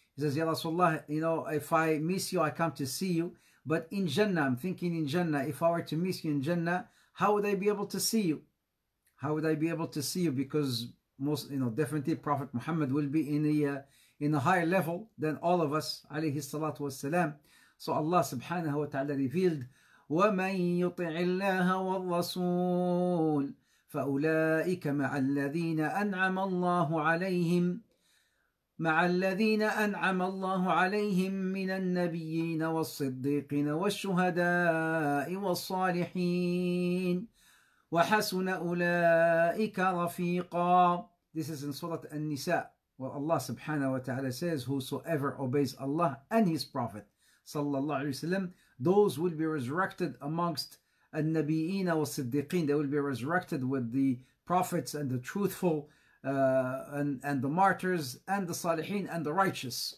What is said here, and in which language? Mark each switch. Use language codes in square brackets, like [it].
[en] He says, Ya Rasulullah, you know, if I miss you, I come to see you, but in Jannah, I'm thinking in Jannah, if I were to miss you in Jannah, how would I be able to see you? How would I be able to see you? Because most, you know, definitely Prophet Muhammad will be in a higher level than all of us, alayhi salatu wasalam. [ar] So Allah subhanahu wa ta'ala revealed, وَمَنْ يُطِعِ اللَّهَ وَالرَّسُولِ فَأُولَٰئِكَ مَعَ الَّذِينَ أَنْعَمَ اللَّهُ عَلَيْهِمْ مَعَ الَّذِينَ أَنْعَمَ اللَّهُ عَلَيْهِمْ مِنَ النَّبِيِّينَ وَالصِّدِّيقِينَ وَالشُّهَدَاءِ وَالصَّالِحِينَ وَحَسُنَ أُولَٰئِكَ رَفِيقًا. [en] This is in Surah An-Nisa, where Allah subhanahu wa ta'ala says, whosoever obeys Allah and His Prophet, sallallahu alayhi wa sallam, those will be resurrected amongst [ar] النَّبِيِّينَ وَالصِّدِّيقِينَ. [en] They will be resurrected with the prophets and the truthful, and the martyrs and the salihin and the righteous.